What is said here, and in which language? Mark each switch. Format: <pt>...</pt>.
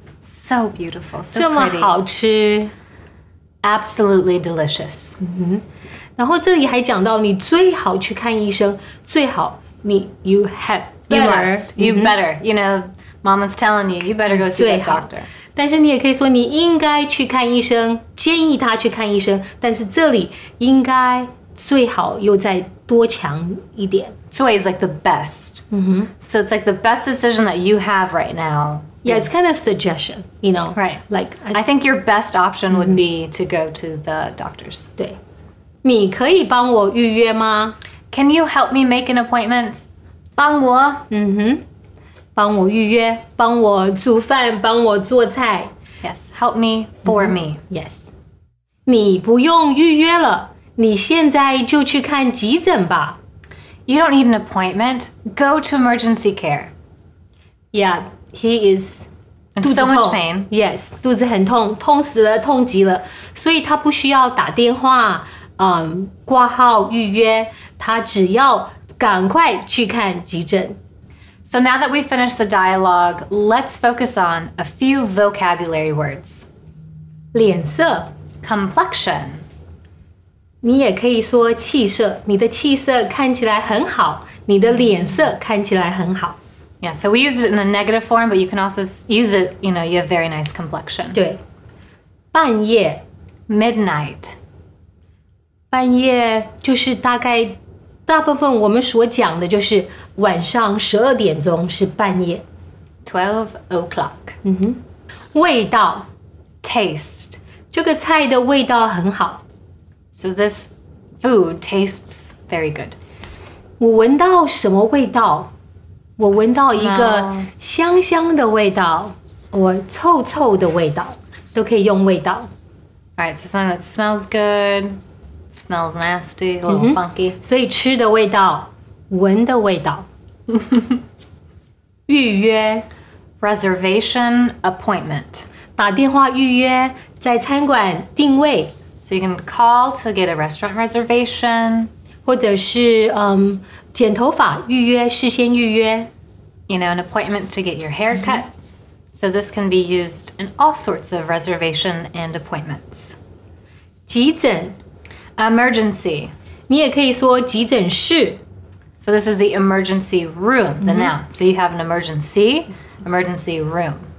<en>so beautiful. So</en> <zh>这么</zh> <en>pretty.</en> <zh>好吃</zh> <en>absolutely delicious.、</en> <zh>Mm-hmm. 然后这里还讲到你最好去看医生，最好你</zh> <en>you have better. You must. You、mm-hmm. better. You know, mama's telling you, you better go see the doctor.</en> <zh>但是你也可以说你应该去看医生，建议他去看医生。但是这里应该最好又再多强一点。</zh> <en>最 is like the best. Mm-hmm. So it's like the best decision that you have right now. Yeah, it's kind of suggestion, you know. Right. Like, I think your best option would be to go to the doctors.</en> <zh>对。你可以帮我预约吗？</zh> <en>Can you help me make an appointment?</en> <zh>帮我。</zh> <en>Mm-hmm.</en> <zh>帮我预约，帮我煮饭，帮我做菜。</zh> <en>Yes, help me for me. Yes.</en> <zh>你不用预约了，你现在就去看急诊吧。</zh> <en>You don't need an appointment. Go to emergency care. Yeah, he is in so much pain. Yes,</en> <zh>肚子很痛，痛死了，痛极了。所以他不需要打电话，挂号预约，他只要赶快去看急诊。</zh> <en>So now that we've finished the dialogue, let's focus on a few vocabulary words.</en> <zh>脸色</zh> <en>Complexion</en> <zh>你也可以说气色，你的气色看起来很好，你的脸色看起来很好。</zh> <en>Yeah, so we use it in a negative form, but you can also use it, you know, you have very nice complexion.</en> <zh>对。半夜</zh> <en>Midnight</en> <zh>半夜就是大概大部分我们所讲的就是晚上十二点钟是半夜</zh> <en>12 o'clock、</en> <zh>味道</zh> <en>Taste</en> <zh>这个菜的味道很好</zh> <en>So this food tastes very good</en> <zh>我闻到什么味道我闻到一个香香的味道或臭臭的味道都可以用味道</zh> <en>Alright, so something that smells goodSmells nasty, a little funky.</en> <zh>所以吃的味道，闻的味道。预约</zh> <en>Reservation, appointment.</en> <zh>打电话预约，在餐馆定位。</zh> <en>So you can call to get a restaurant reservation.</en> <zh>或者是剪头发预约，事先预约。</zh> <en>You know, an appointment to get your hair cut. So this can be used in all sorts of reservation and appointments.</en> <zh>急诊</zh> <en>Emergency.</en> <zh>你也可以说急诊室。</zh> <en>So this is the emergency room, the noun. So you have an emergency, emergency room.</en>